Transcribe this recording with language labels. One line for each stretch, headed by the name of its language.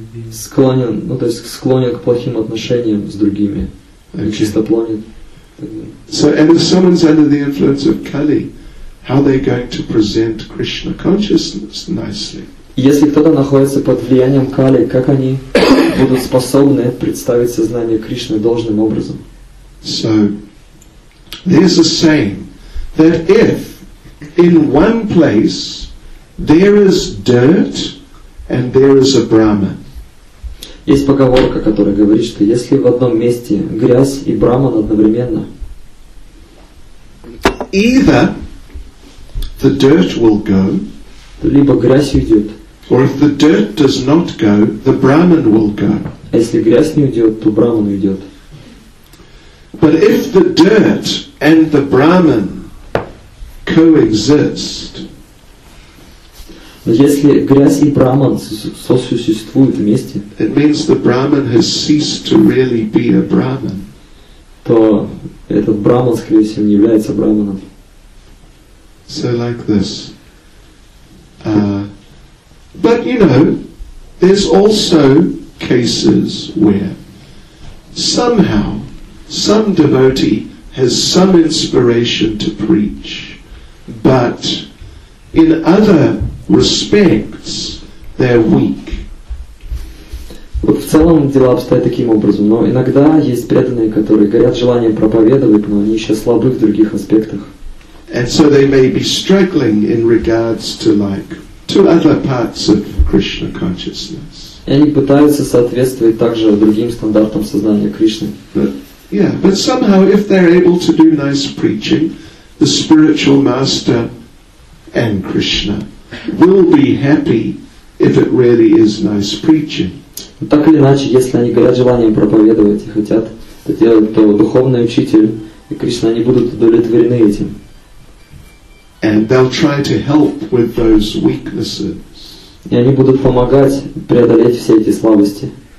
Russian: Склонен, ну то есть склонен к плохим отношениям с другими, нечистоплотен.
English: So, and if someone's under the influence of Kali, how are they going to present Krishna consciousness nicely?
Russian: Если кто-то находится под влиянием Кали, как они будут способны представить сознание Кришны должным образом?
English: So, there's a saying that if in one place there is dirt and there is a Brahman.
Russian: Есть поговорка, которая говорит, что если в одном месте грязь и Брахман одновременно,
English: either the dirt will go,
Russian: либо грязь уйдет,
English: or if the dirt does not go, the Brahman will go.
Russian: А если грязь не уйдет, то Брахман уйдет.
English: But if the dirt and the Brahman coexist,
Russian: если грязь и Брахман сосуществуют вместе,
English: it means the Brahman has ceased to really be a Brahman.
Russian: То этот Брахман, скорее всего, не является Брахманом.
English: So like this. But you know, there's also cases where somehow some devotee has some inspiration to preach, but in other respects they're weak.
Russian: Вот в целом дела обстоят таким образом, но иногда есть преданные, которые горят желанием проповедовать, но они еще слабы в других аспектах.
English: And so they may be struggling in regards to like to other parts of Krishna consciousness.
Russian: И они пытаются соответствовать также другим стандартам сознания Кришны.
English: But somehow if they're able to do nice preaching, the spiritual master and Krishna will be happy if it really is nice preaching.
Russian: Но так или иначе, если они горят желанием проповедовать и хотят это делать, то духовный учитель и Кришна, они будут удовлетворены этим.
English: And they'll try to help with those weaknesses.
Russian: И они будут помогать преодолеть все эти слабости.